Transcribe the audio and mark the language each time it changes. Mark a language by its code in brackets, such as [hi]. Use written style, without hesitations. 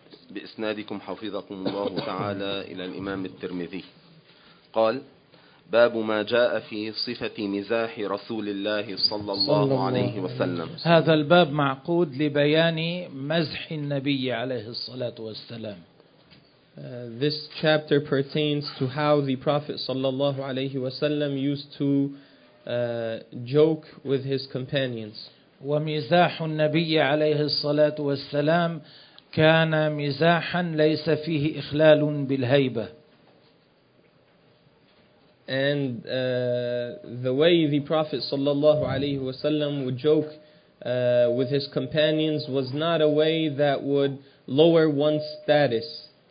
[ar] بإسنادكم حفظكم الله تعالى إلى الإمام الترمذي قال باب ما جاء في صفة مزاح رسول الله صلى الله عليه وسلم. هذا الباب معقود لبيان مزح النبي عليه الصلاة والسلام. [en] This chapter pertains to how the Prophet [ar] صلى الله عليه وسلم [en] used to joke with his companions. [ar] ومزاح النبي عليه الصلاة والسلام كان مزاحا ليس فيه إخلال بالهيبة. [en] And the way the Prophet [ar] صلى الله عليه وسلم [en] would joke with his companions was not a way that would lower one's status.